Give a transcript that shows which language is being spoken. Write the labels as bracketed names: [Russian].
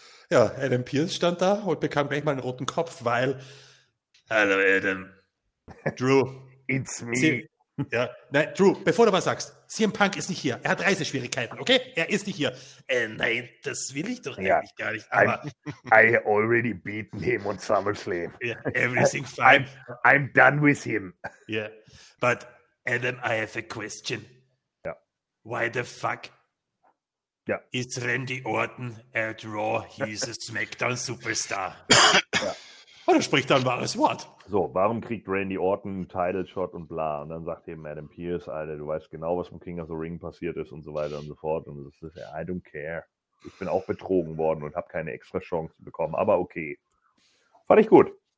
[German] Ja, Adam Pearce stand da und bekam gleich mal einen roten Kopf, weil... Hallo, Adam. Drew. [English] It's me. See. [German] Ja, nein, Drew, bevor du was sagst, CM Punk ist nicht hier. Er hat Reiseschwierigkeiten, okay? Er ist nicht hier. Nein, das will ich doch eigentlich gar nicht. Aber [English] I already beaten him on SummerSlam. Yeah, everything fine. I'm done with him. Yeah, but Adam, I have a question. Yeah. Why the fuck is Randy Orton at Raw? He's a SmackDown Superstar. [German] Und er spricht dann wahres Wort. So, warum kriegt Randy Orton einen Title Shot und bla? Und dann sagt eben Adam Pearce, Alter, du weißt genau, was mit King of the Ring passiert ist und so weiter und so fort. Und das ist ja, I don't care. Ich bin auch betrogen worden und habe keine extra Chance bekommen. Aber okay. Fand ich gut.